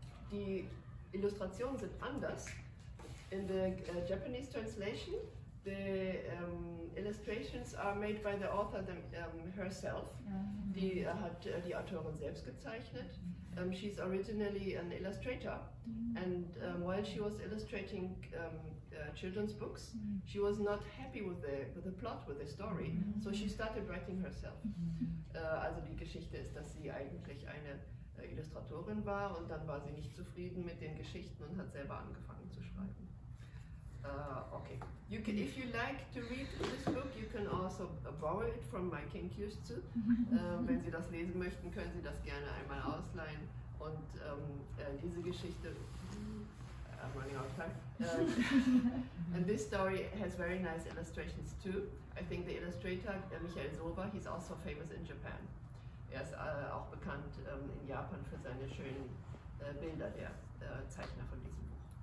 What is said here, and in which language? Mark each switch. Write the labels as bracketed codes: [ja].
[de] Die Illustrationen sind anders. [en] In the Japanese translation, the illustrations are made by the author herself. Yeah. [de] Die hat die Autorin selbst gezeichnet. [en] She's originally an illustrator. And while she was illustrating children's books, she was not happy with the plot, with the story. So she started writing herself. [de] Also die Geschichte ist, dass sie eigentlich eine Illustratorin war, und dann war sie nicht zufrieden mit den Geschichten und hat selber angefangen zu schreiben. [en] Okay. You can, if you like to read this book, you can also borrow it from my Kinkyushu. [de] Wenn Sie das lesen möchten, können Sie das gerne einmal ausleihen. Und diese Geschichte. [en] I'm running out of time. And this story has very nice illustrations too. I think the illustrator, Michael Sova, he's also famous in Japan. [de] Er ist auch bekannt in Japan für seine schönen Bilder, der Zeichner von diesem Buch.